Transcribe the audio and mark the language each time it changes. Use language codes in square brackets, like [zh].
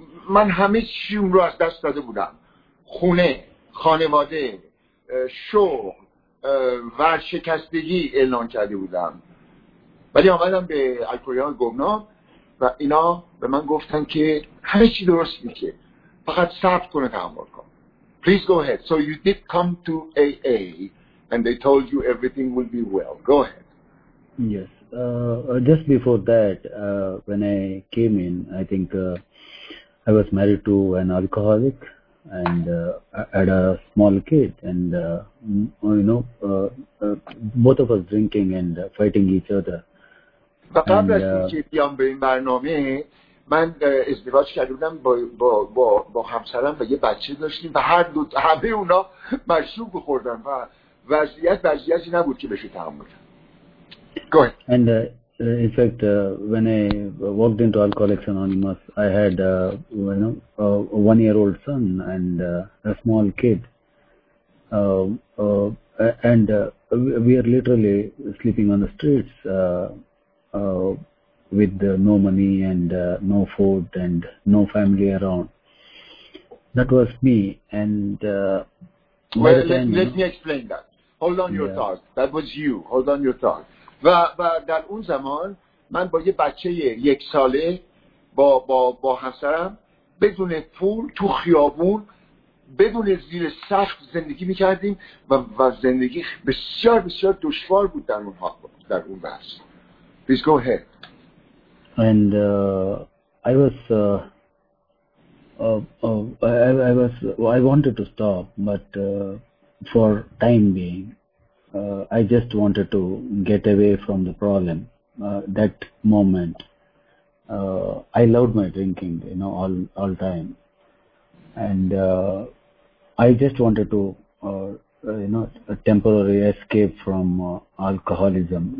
[fa] من همه چیم رو از دست داده بودم، خونه، خانواده، شغل، ورشکستگی اعلان کرده بودم. ولی آمدم به الکوریان گمنام و اینا به من گفتن که همه چی درست میشه، فقط صبر کن و تحمل کن. [en] Please go ahead. So you did come to AA and they told you everything will be well. Go ahead. Yes. Just before that, when I came in, I think I was married to an alcoholic and had a small kid, and you know, both of us drinking and fighting each other. [fa] و قبل از اینکه بیام به این برنامه، من ازدواج کرده بودم با همسرم و یه بچه داشتیم و هر دو همه اونا مشروب بخوردن و وضعیتی نبود که بشه تحمل کنم. [en] Go ahead. And in fact, when I walked into Alcoholics Anonymous, I had a 1-year-old son and a small kid. We are literally sleeping on the streets with no money and no food and no family around. That was me. And let me explain that. Hold on your thoughts. That was you. Hold on your thoughts. [fa] و در اون زمان من با یه بچه یک ساله با همسرم بدون پول تو خیابون بدون زیر سقف زندگی میکردیم و زندگی بسیار بسیار دشوار بود در اون وقت. [en] Please go ahead. And I wanted to stop, but for time being I just wanted to get away from the problem. That moment, I loved my drinking, you know, all time, and I just wanted to, you know, a temporary escape from alcoholism.